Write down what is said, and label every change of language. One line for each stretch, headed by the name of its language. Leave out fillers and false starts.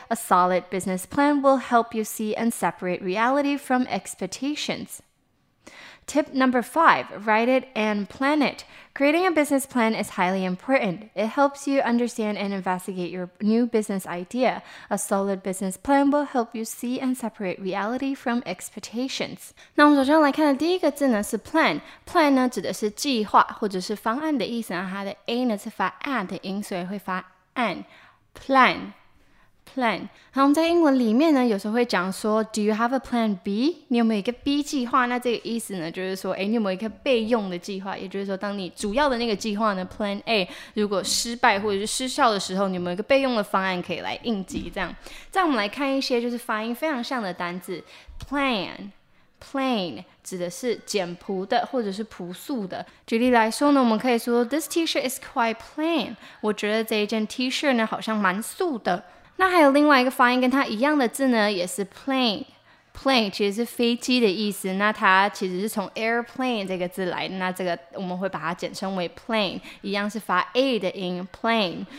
English: A solid business plan will help you see and separate reality from expectations. Tip number 5, write it and plan it. Creating a business plan is highly important. It helps you understand and investigate your new business idea. A solid business plan will help you see and separate reality from expectations.
Chinese: 那我们首先来看的第一个字呢是 plan。plan 呢指的是计划或者是方案的意思，它的 a 呢是发 a 的音，所以会发 an。plan。 plan， 然后我们在英文里面呢，有时候会讲说 ，
English: Do you have a plan B？
Chinese: 你有没有一个 B 计划？那这个意思呢，就是说，哎，你有没有一个备用的计划？也就是说，当你主要的那个计划呢 ，Plan A， 如果失败或者是失效的时候，你有没有一个备用的方案可以来应急？这样，再我们来看一些就是发音非常像的单字 ，plan。 Plain 指的是简朴的或者是朴素的。举例来说呢，我们可以说
English: This T-shirt is quite plain。
Chinese: 我觉得这一件 T-shirt 呢好像蛮素的。那还有另外一个发音跟它一样的字呢，也是 plane。 Plane 其实是飞机的意思，那它其实是从 airplane 这个字来的，那这个我们会把它简称为 plane， 一样是发 a 的音 plane。